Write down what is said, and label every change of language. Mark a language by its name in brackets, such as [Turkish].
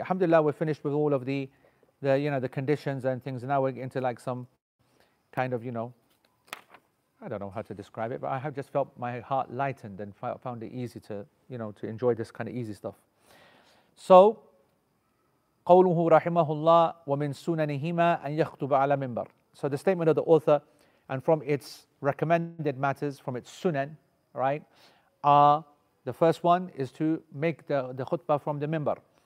[English] Alhamdulillah, we're finished with all of the you know, the conditions and things. And now we're into like some kind of, you know, I don't know how to describe it, but I have just felt my heart lightened and found it easy to, you know, to enjoy this kind of easy stuff. So, [Arabic] قوله رحمه الله ومن سننهما أن يخطب على منبر. [English] So the statement of the author and from its recommended matters, from its sunan, right, are the first one is to make the khutbah from the minbar.